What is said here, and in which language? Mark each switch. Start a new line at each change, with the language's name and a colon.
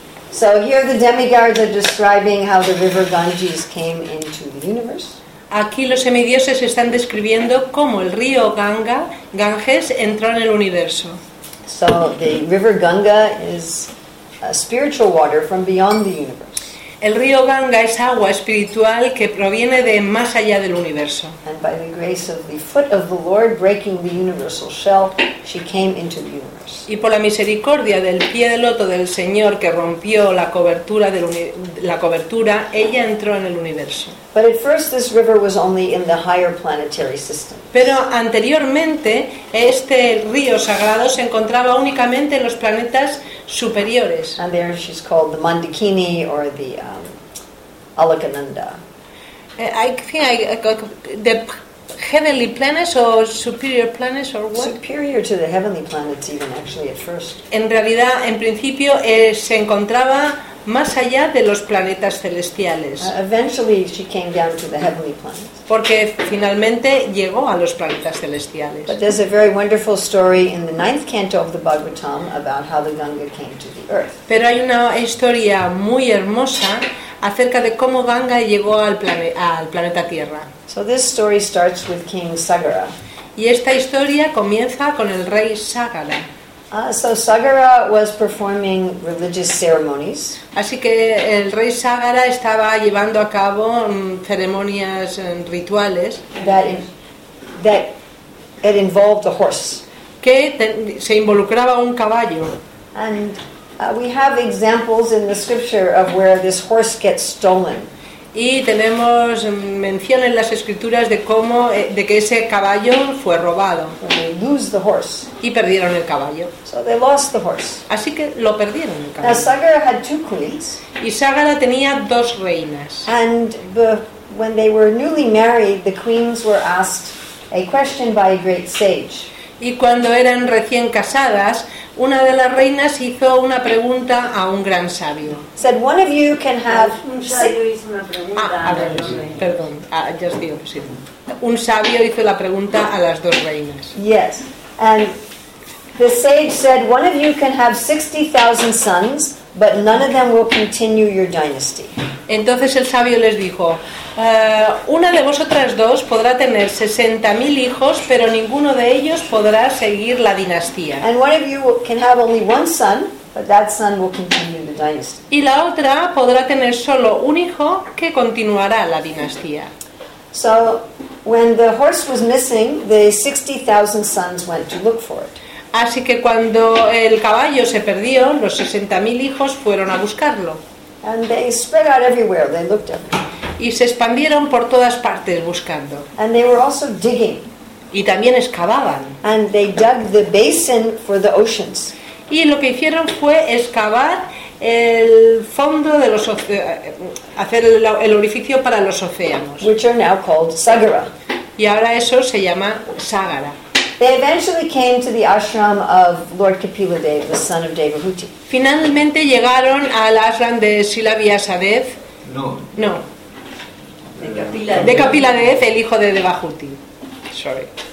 English: So here the demigods are describing how the river Ganges came into the universe.
Spanish: Aquí los semidioses están describiendo cómo el río Ganges entró en el universo.
English: So the river Ganga is a spiritual water from beyond the universe.
Spanish: El río Ganga es agua espiritual que proviene de más allá del universo.
English: And by the grace of the foot of the Lord breaking the universal shell, she came into the universe.
Spanish: Y por la misericordia del pie de loto del Señor que rompió la cobertura la cobertura, ella entró en el universo.
English: But at first this river was only in the higher planetary system.
Spanish: Pero anteriormente este río sagrado se encontraba únicamente en los planetas superiores.
English: And there she's called the Mandakini or the Alakananda. The heavenly planets or superior planets or what? Superior to the heavenly planets even actually at first.
Spanish: En realidad, en principio, se encontraba más allá de los planetas celestiales.
English: Eventually she came down to the heavenly planets.
Spanish: Porque finalmente llegó a los planetas celestiales.
English: But there's a very wonderful story in the ninth canto of the Bhagavatam about how the Ganga came to the earth.
Spanish: Pero hay una historia muy hermosa acerca de cómo Ganga llegó al planeta Tierra.
English: So this story starts with King Sagara.
Spanish: Y esta historia comienza con el rey Sagara.
English: So Sagara was performing religious ceremonies.
Spanish: Así que el rey Sagara estaba llevando a cabo ceremonias rituales
English: that involved a horse.
Spanish: Que se involucraba un caballo.
English: And we have examples in the scripture of where this horse gets stolen.
Spanish: Y tenemos mención en las escrituras de cómo de que ese caballo fue robado.
English: Lose the horse.
Spanish: Y perdieron el caballo.
English: So they lost the horse.
Spanish: Así que lo perdieron el caballo.
English: Now, Sagara had two queens.
Spanish: Y Sagara tenía dos reinas.
English: And when they were newly married, the queens were asked a question by a great sage.
Spanish: Y cuando eran recién casadas, una de las reinas hizo una pregunta a un gran sabio.
English: Said one of you can have.
Spanish: Un sabio hizo una pregunta. Perdón, ya os digo, sí. Un sabio hizo la pregunta a las dos reinas.
English: Yes, and the sage said one of you can have 60,000 sons, but none of them will continue your dynasty.
Spanish: Entonces el sabio les dijo, una de vosotras dos podrá tener 60,000 hijos, pero ninguno de ellos podrá seguir la dinastía.
English: And one of you can have only one son, but that son will continue the dynasty.
Spanish: Y la otra podrá tener solo un hijo que continuará la dinastía.
English: So when the horse was missing, the 60,000 sons went to look for it.
Spanish: Así que cuando el caballo se perdió, los 60,000 hijos fueron a buscarlo.
English: And they spread out everywhere. They looked up.
Spanish: Y se expandieron por todas partes buscando.
English: And they were also digging.
Spanish: Y también excavaban.
English: And they dug the basin for the oceans.
Spanish: Y lo que hicieron fue excavar el fondo de los hacer el orificio para los océanos.
English: Which are now called Sagara.
Spanish: Y ahora eso se llama Sagara.
English: They eventually came to the ashram of Lord Kapiladev, the son of Devahuti.
Spanish: Finalmente llegaron al ashram de Srila Vyasadev. No. No. De Kapiladev, el hijo de Devahuti.
English: Sorry.